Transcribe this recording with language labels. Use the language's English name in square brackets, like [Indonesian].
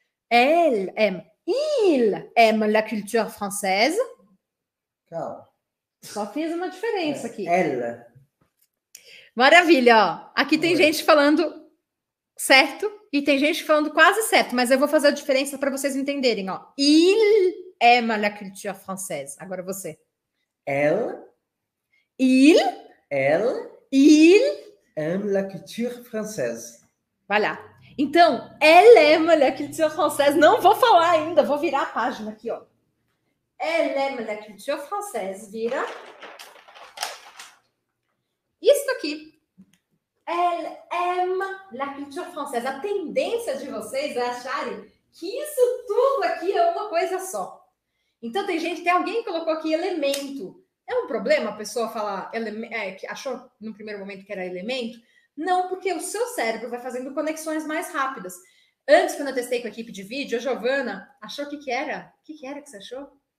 [French] Elle aime. Il aime la culture française. [Portuguese] Calma. Só fiz uma diferença aqui. Ela. Maravilha, ó. Aqui tem gente falando certo e tem gente falando quase certo, mas eu vou fazer a diferença para vocês entenderem, ó. [French] Il aime la culture française. [Portuguese] Agora você. [French] Elle. Il. Elle. Il. Aime la culture française. Voilà. [Portuguese] Então, [French] elle aime la culture française. [Portuguese] Não vou falar ainda, vou virar a página aqui, ó. [French] Elle aime la culture française. [Portuguese] Vira. Isso aqui. [French] Elle aime la culture française. [Portuguese] A tendência de vocês é acharem que isso tudo aqui é uma coisa só. Então, tem gente, tem alguém que colocou aqui elemento. É um problema a pessoa falar, que achou no primeiro momento que era elemento? Não, porque o seu cérebro vai fazendo conexões mais rápidas. Antes, quando eu testei com a equipe de vídeo, a Giovana achou o que que era? O que que era que você achou?